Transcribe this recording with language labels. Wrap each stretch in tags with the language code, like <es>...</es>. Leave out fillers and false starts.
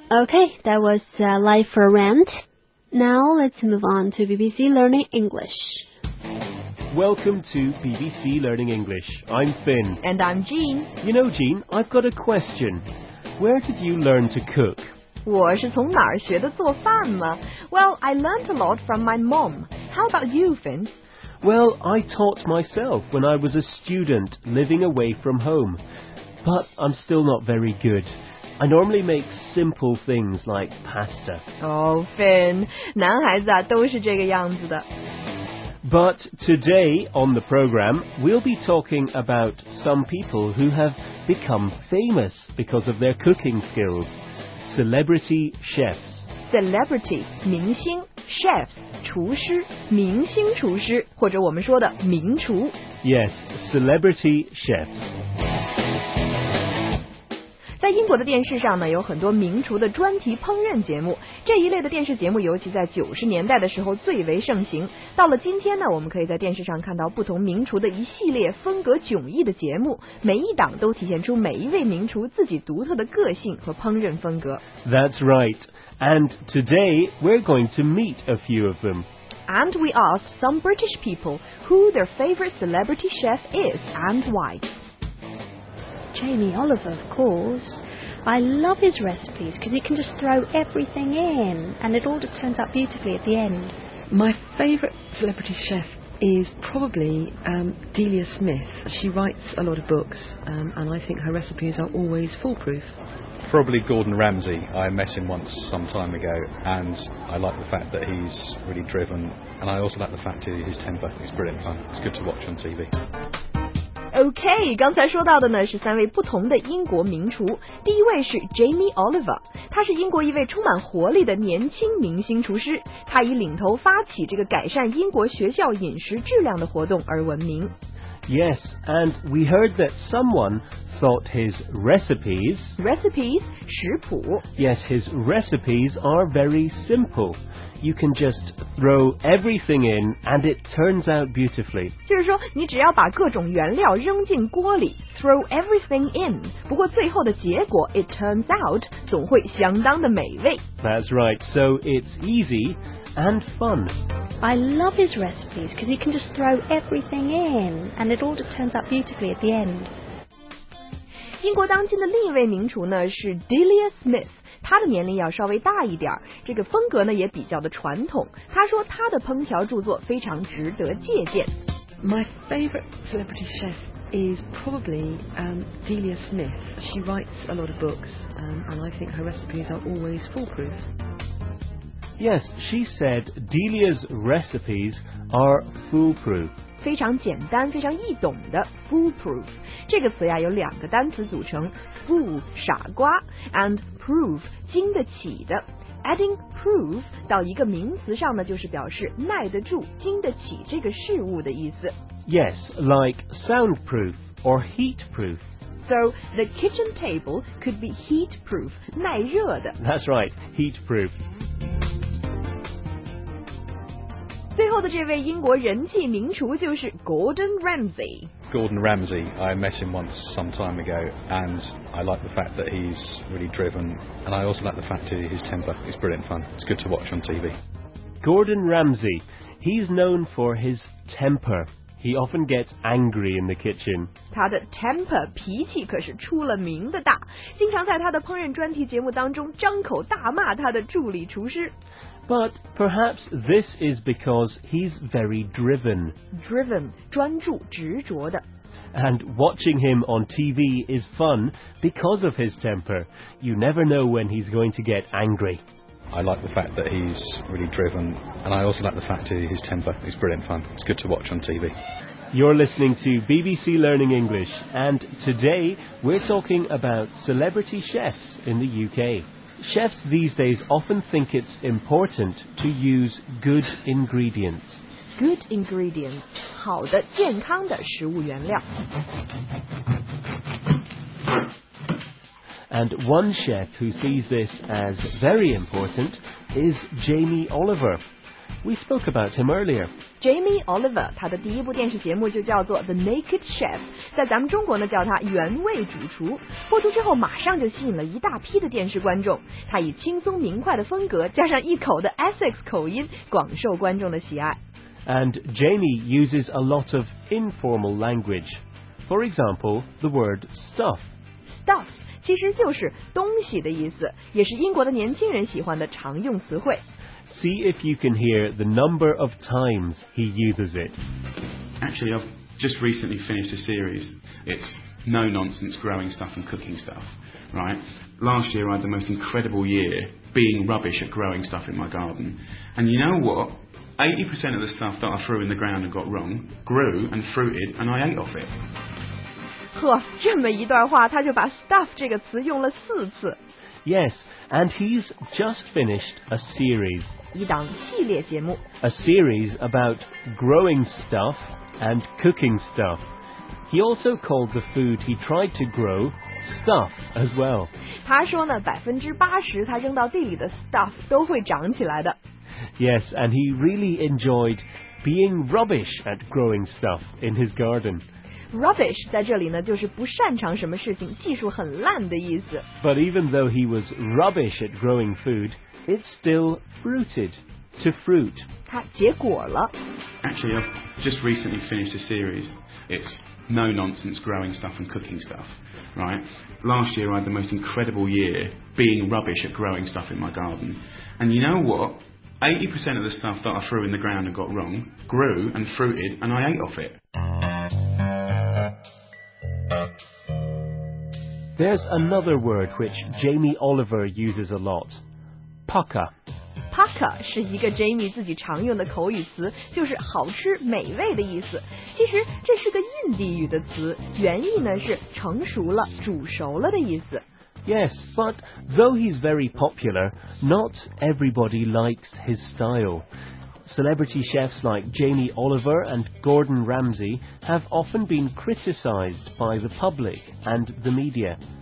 <en>Okay, that was Life for Rent. Now let's move on to BBC Learning English. Welcome to BBC Learning English. I'm Finn. And I'm Jean. You know, Jean, I've got a question. Where did you learn to cook?</en> <zh>我是从哪儿学的做饭吗?</zh> <en>Well, I learned a lot from my mom. How about you, Finn? Well, I taught myself when I was a student living away from home. But I'm still not very good. I normally make simple things like pasta.</en> <zh>Oh, Finn, 男孩子啊都是这个样子的。</zh> <en>But today on the program, we'll be talking about some people who have become famous because of their cooking skills. Celebrity chefs.</en> <zh>Celebrity, 明星, chefs, 厨师, 明星厨师, 或者我们说的名厨。</zh> <en>Yes, celebrity chefs.</en> <zh>在英国的电视上呢，有很多名厨的专题烹饪节目，这一类的电视节目尤其在90年代的时候最为盛行。到了今天呢，我们可以在电视上看到不同名厨的一系列风格迥异的节目，每一档都体现出每一位名厨自己独特的个性和烹饪风格。</zh> <en>That's right. And today, we're going to meet a few of them. And we asked some British people who their favorite celebrity chef is and why. Jamie Oliver, of course. I love his recipes because he can just throw everything in and it all just turns out beautifully at the end. My favorite celebrity chef is probably Delia Smith. She writes a lot of books, and I think her recipes are always foolproof. Probably Gordon Ramsay. I met him once some time ago, and I like the fact that he's really driven, and I also like the fact that his temper is brilliant fun. It's good to watch on TV.</en> <zh>Okay, 刚才说到的呢是三位不同的英国名厨。第一位是 Jamie Oliver, 他是英国一位充满活力的年轻明星厨师，他以领头发起这个改善英国学校饮食质量的活动而闻名。</zh> <en>Yes, and we heard that someone... thought his recipes...</en> <zh>Recipes? 食谱?</zh> <en>Yes, his recipes are very simple. You can just throw everything in and it turns out beautifully.</en> <zh>就是说你只要把各种原料扔进锅里</zh> <en>throw everything in.</en> <zh>不过最后的结果</zh> <en>it turns out</en> <zh>总会相当的美味。</zh> <en>That's right, so it's easy and fun. I love his recipes because you can just throw everything in and it all just turns out beautifully at the end.</en> <zh>英国当今的另一位名厨呢是 Delia Smith, 她的年龄要稍微大一点，这个风格呢也比较的传统。她说她的烹调著作非常值得借鉴。</zh> <en>My favorite celebrity chef is probably Delia Smith. She writes a lot of books, and I think her recipes are always foolproof. Yes, she said Delia's recipes are foolproof.</en> <zh>非常简单非常易懂的 foolproof 这个词呀有两个单词组成 fool 傻瓜 and proof 经得起的</zh> <en>adding proof</en> <zh>到一个名词上呢就是表示耐得住经得起这个事物的意思</zh> <en>yes like soundproof or heatproof so the kitchen table could be heatproof 耐热的 that's right heatproof</en> <zh>最后的这位英国人气名厨就是 Gordon Ramsay.</zh> <en>Gordon Ramsay, I met him once some time ago, and I like the fact that he's really driven, and I also like the fact that his temper is brilliant fun. It's good to watch on TV. Gordon Ramsay, he's known for his temper. He often gets angry in the kitchen.</en> <zh>他的 temper 脾气可是出了名的大，经常在他的烹饪专题节目当中张口大骂他的助理厨师。</zh> <en>But perhaps this is because he's very driven.</en> <zh>Driven, 专注、执着的。</zh> <en>And watching him on TV is fun because of his temper. You never know when he's going to get angry. I like the fact that he's really driven, and I also like the fact that his temper is brilliant fun. It's good to watch on TV. You're listening to BBC Learning English, and today we're talking about celebrity chefs in the UK. Chefs these days often think it's important to use good ingredients.</en> <zh>Good ingredients, 好的健康的食物原料。</zh> <en>And one chef who sees this as very important is Jamie Oliver. We spoke about him earlier.</en> <zh>Jamie Oliver, 他的第一部电视节目就叫做 The Naked Chef, 在咱们中国呢叫他原味主厨。播出之后马上就吸引了一大批的电视观众。他以轻松明快的风格加上一口的 Essex 口音广受观众的喜爱。</zh> <en>And Jamie uses a lot of informal language. For example, the word stuff.</en> <zh>Stuff 其实就是东西的意思，也是英国的年轻人喜欢的常用词汇。</zh> <en>See if you can hear the number of times he uses it. Actually, I've just recently finished a series. It's no-nonsense growing stuff and cooking stuff, right? Last year I had the most incredible year being rubbish at growing stuff in my garden. And you know what? 80% of the stuff that I threw in the ground and got wrong grew and fruited and I ate off it.</en> <zh>呵，这么一段话他就把 stuff 这个词用了四次。</zh> <en>Yes, and he's just finished a series.</en> <zh>一档系列节目。</zh> <en>A series about growing stuff and cooking stuff. He also called the food he tried to grow stuff as well.</en> <zh>他说呢 ,80% 他扔到地里的 stuff 都会长起来的。</zh> <en>Yes, and he really enjoyed being rubbish at growing stuff in his garden.</en> <zh>Rubbish 在这里呢就是不擅长什么事情，技术很烂的意思。</zh> <en>But even though he was rubbish at growing food, it still fruited to fruit.</en> <zh>它结果了。</zh> <en>Actually, I've just recently finished a series. It's no-nonsense growing stuff and cooking stuff, right? Last year I had the most incredible year being rubbish at growing stuff in my garden. And you know what? 80% of the stuff that I threw in the ground and got wrong grew and fruited and I ate off it. There's another word which Jamie Oliver uses a lot. Pucker.</en> <zh>Pucker 是一个 Jamie 自己常用的口语词，就是好吃美味的意思。其实这是个印地语的词，原意呢是成熟了煮熟了的意思。</zh> <en>Yes, but though he's very popular, not everybody likes his style. Celebrity chefs like Jamie Oliver and Gordon Ramsay have often been criticized by the public and the media.</en>